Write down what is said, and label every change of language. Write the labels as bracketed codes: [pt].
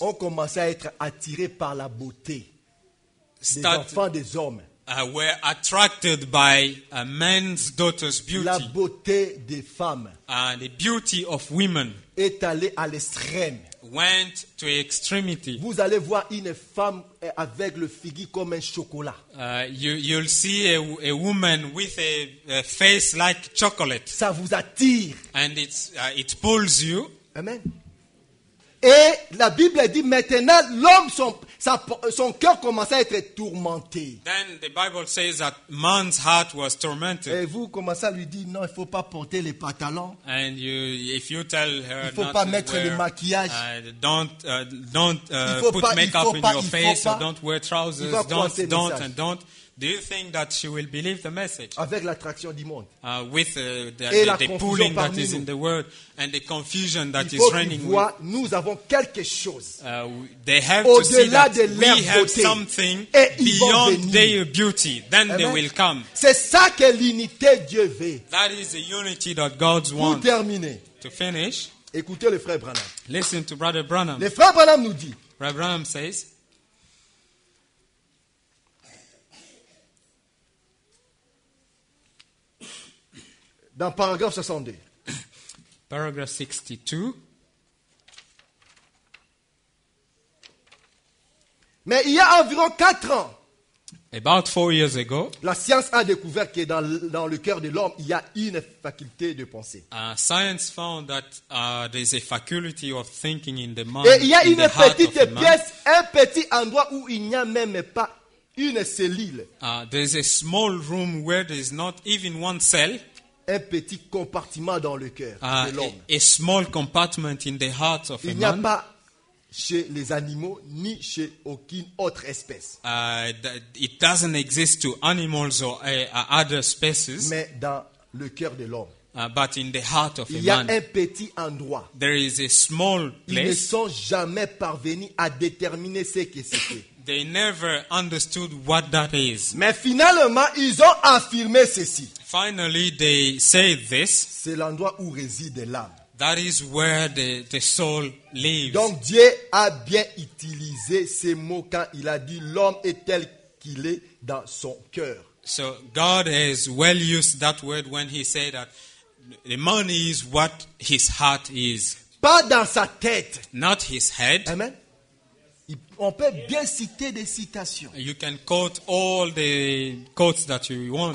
[fr] ont commencé à être attirés par la beauté des enfants des hommes. [en] Were attracted by a man's daughter's beauty. [fr] La beauté des femmes. [en] The beauty of women [fr] est allée à l'extrême. [en] Went to extremity. [fr] Vous allez voir une femme avec le figure comme un chocolat. [en] You'll see a woman with a face like chocolate. [fr] Ça vous attire. [en] And it pulls you. Amen. [fr] Et la Bible dit maintenant l'homme son cœur commençait à être tourmenté. [en] Then the Bible says that man's heart was tormented. [fr] Et vous commencez à lui dire non, il faut pas porter les pantalons. [en] And you, if you tell her, [fr] il faut pas mettre le maquillage. [en] Don't put makeup on your face. Or don't wear trousers. Don't. Do you think that she will believe the message? [fr] Avec l'attraction du monde. [en] With the pulling that is in the world and the confusion that [fr] il faut [en] is reigning. [fr] Voit, nous avons quelque chose. [en] They have to see that we have something beyond their beauty. Then Amen. They will come. [fr] C'est ça que l'unité Dieu veut. [en] That is the unity that God wants. [fr] Pour terminer. [en] To finish. [fr] Écoutez le frère Branham. [en] Listen to Brother Branham. [fr] Le frère Branham nous dit. [en] Brother Branham says. [fr] Dans paragraphe 62. [en] Paragraph 62. [fr] Mais il y a environ 4 ans. [en] About 4 years ago. [fr] La science a découvert que dans le cœur de l'homme, il y a une faculté de penser. [en] Science found that there is a faculty of thinking in the mind. [fr] Et il y a une petite pièce, un petit endroit où il n'y a même pas une cellule. [en] There is a small room where there is not even one cell. [fr] Un petit compartiment dans le cœur de l'homme. [en] A small compartment in the heart of a man. [fr] Il n'y a pas chez les animaux ni chez aucune autre espèce. [en] It doesn't exist to animals or other species. [fr] Mais dans le cœur de l'homme. [en] But in the heart of a man. [fr] Il y a un petit endroit. [en] There is a small place. [fr] Ils ne sont jamais parvenus à déterminer ce que c'était. [en] They never understood what that is. [fr] Mais finalement, ils ont affirmé ceci. [en] Finally, they say this. [fr] C'est l'endroit où réside l'âme. [en] That is where the soul lives. [fr] Donc Dieu a bien utilisé ces mots quand il a dit l'homme est tel qu'il est dans son cœur. [en] So God has well used that word when he said that the man is what his heart is. [fr] Pas dans sa tête. [en] Not his head. Amen. [fr] On peut bien citer des citations. [en] You can quote all the quotes that you want.